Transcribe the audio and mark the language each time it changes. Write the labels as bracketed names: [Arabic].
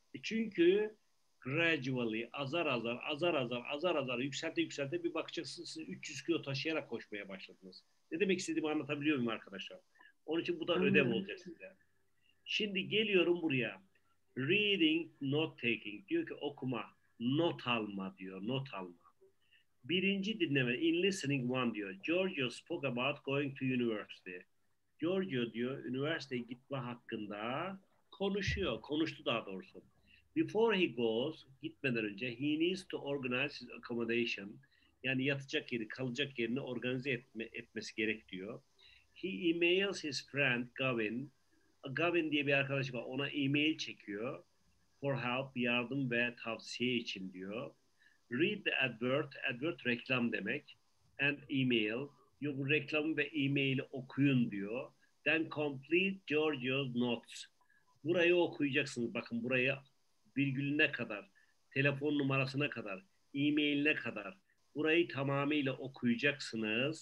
[Turkish] Çünkü gradually, azar azar yükselte bir bakacaksınız siz 300 kilo taşıyarak koşmaya başladınız. Ne demek istediğimi anlatabiliyor muyum arkadaşlar? Onun için bu da ödev olacak size. Şimdi geliyorum buraya. [English] Reading, note taking. [Turkish] Diyor ki okuma, not alma diyor, not alma. Birinci dinleme, [English] in listening one [Turkish] diyor. [English] Giorgio spoke about going to university. [Turkish] Giorgio diyor, üniversiteye gitme hakkında konuşuyor, konuştu daha doğrusu. [English] Before he goes, [Turkish] gitmeden önce, [English] he needs to organize his accommodation. [Turkish] Yani yatacak yeri, kalacak yerini organize etmesi gerek diyor. [English] He emails his friend Gavin. [Turkish] Gavin diye bir arkadaş var, ona email çekiyor. [English] For help, [Turkish] yardım ve tavsiye için diyor. [English] Read the advert, [Turkish] advert reklam demek. [English] And email, [Turkish] diyor, bu reklamı ve e-maili okuyun diyor. [English] Then complete Giorgio's notes. [Turkish] Burayı okuyacaksınız, bakın burayı virgülüne kadar, telefon numarasına kadar, e-mailine kadar burayı tamamıyla okuyacaksınız.